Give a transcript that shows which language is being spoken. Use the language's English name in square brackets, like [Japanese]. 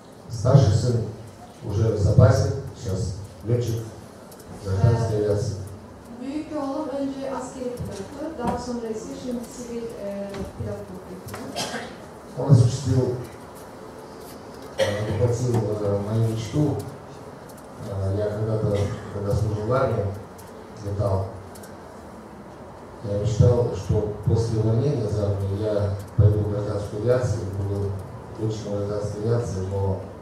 [Russian] Старший сын уже в запасе, сейчас летчик гражданской авиации. [Turkish] Büyük oğlum önce askeri pilotu, daha sonra ise şimdi sivil pilot pilotu. [Russian] Он осуществил, воплотил мою мечту. Я когда-то, когда служил в армии, летал. Я мечтал, что после увольнения из армии я пойду в гражданскую авиацию, буду летчиком гражданской авиации, но